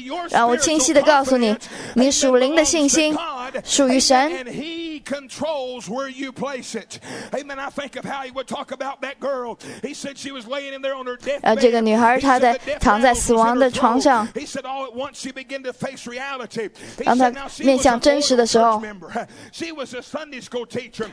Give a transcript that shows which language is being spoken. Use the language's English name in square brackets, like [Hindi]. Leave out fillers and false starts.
[Chinese] 让我清晰地告诉你，你属灵的信心属于神。 [English] Controls where you place it. Amen. I think of how he would talk about that girl. He said she was laying in there on her deathbed. [Chinese] 这个女孩她在躺在死亡的床上。 [English] He said all at once she began to face reality. [Chinese] 让她面向真实的时候。 [English] She was a Sunday school teacher.